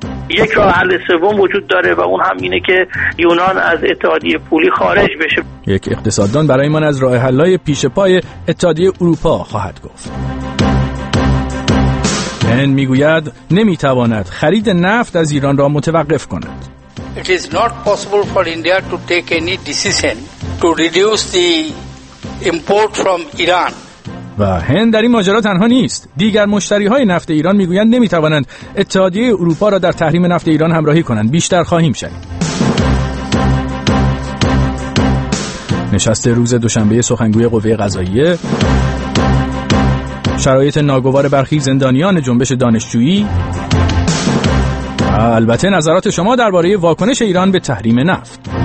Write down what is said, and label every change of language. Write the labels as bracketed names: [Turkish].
[Persian] یک راه حل سوم وجود داره و اون هم اینه که یونان از اتحادیه پولی خارج بشه. یک اقتصاددان برای من از راه حل‌های پیش پای اتحادیه اروپا خواهد گفت. هند میگوید نمیتواند خرید نفت از ایران را متوقف کند. [English] It is not possible for India to take any decision to reduce the import from Iran. [Persian] و هند در این ماجرا تنها نیست. دیگر مشتری های نفت ایران میگویند نمیتوانند اتحادیه اروپا را در تحریم نفت ایران همراهی کنند. بیشتر خواهیم شنید. نشست روز دوشنبه سخنگوی قوه قضاییه، شرایط ناگوار برخی زندانیان جنبش دانشجویی، البته نظرات شما درباره واکنش ایران به تحریم نفت.